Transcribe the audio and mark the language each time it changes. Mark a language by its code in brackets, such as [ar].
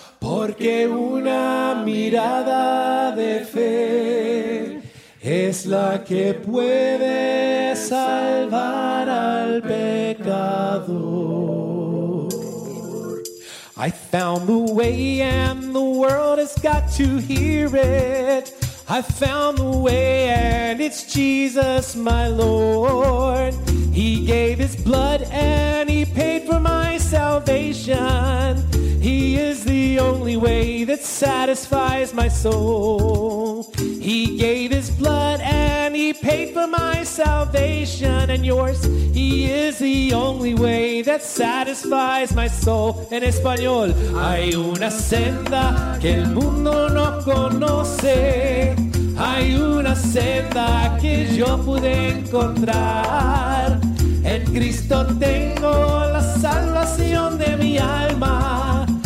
[es] Porque una mirada de fe es la que puede salvar al pecador. [en] I found the way and the world has got to hear it. I found the way and it's Jesus my Lord. He gave His blood and He paid for my salvation. He is the only way that satisfies my soul. He gave His blood and He paid for my salvation and yours. He is the only way that satisfies my soul. [es] En español, hay una senda que el mundo no conoce. Hay una senda que yo pude encontrar. En Cristo tengo la salvación de mi alma.